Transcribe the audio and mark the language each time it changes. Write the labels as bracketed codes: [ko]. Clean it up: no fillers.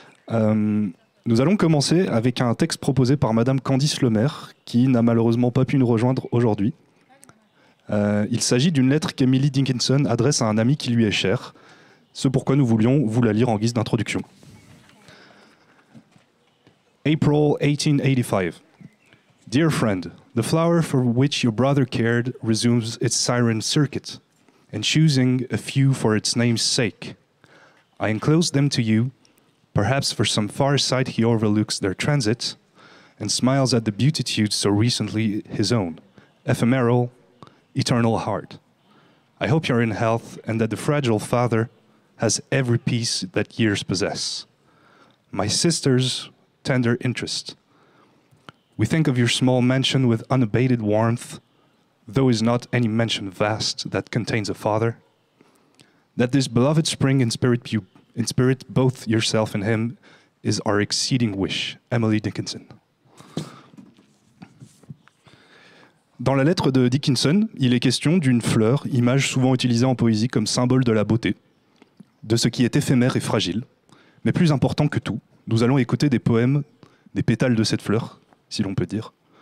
[fr] Nous allons commencer avec un texte proposé par Madame Candice Lemaire, qui n'a malheureusement pas pu nous rejoindre aujourd'hui. Il s'agit d'une lettre qu'Emily Dickinson adresse à un ami qui lui est cher, ce pourquoi nous voulions vous la lire en guise d'introduction. [en] April 1885. Dear friend, the flower for which your brother cared resumes its siren circuit, and choosing a few for its name's sake, I enclose them to you, Perhaps for some far sight he overlooks their transit and smiles at the beatitude so recently his own, ephemeral, eternal heart. I hope you're in health and that the fragile father has every piece that years possess. My sister's tender interest. We think of your small mansion with unabated warmth, though is not any mansion vast that contains a father. That this beloved spring in spirit both yourself and him is our exceeding wish, Emily Dickinson. [fr] Dans la lettre de Dickinson, il est question d'une fleur, image souvent utilisée en poésie comme symbole de la beauté, de ce qui est éphémère et fragile. Mais plus important que tout, nous allons écouter des poèmes, des pétales de cette fleur, si l'on peut dire.